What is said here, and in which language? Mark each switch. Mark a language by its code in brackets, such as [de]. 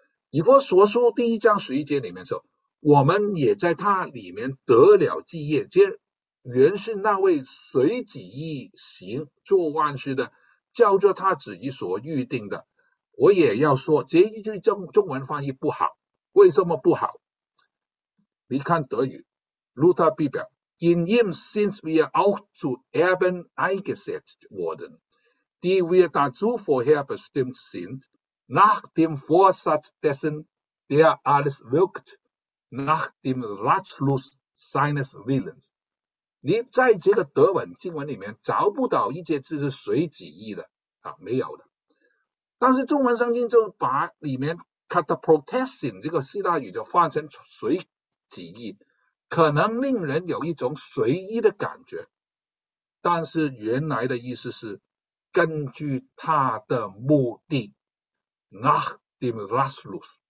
[zh] 以弗所书第一章十一节里面说，我们也在他里面得了基业，这原是那位随己意行做万事的，叫做他旨意所预定的。我也要说这一句中文翻译不好。为什么不好？你看德语 [de] Luther Bibel， In him since we are auch zu Erben eingesetzt worden, die wir dazu vorher bestimmt sind, nach dem Vorsatz dessen, der alles wirkt, nach dem Ratschluss seines Willens。 [zh] 你在这个德文经文里面找不到一节字是随己意的，没有的。但是中文圣经就把里面 catapultasin 这个希腊语就翻成随即意，可能令人有一种随意的感觉，但是原来的意思是根据他的目的， [de] nach dem Rasslus。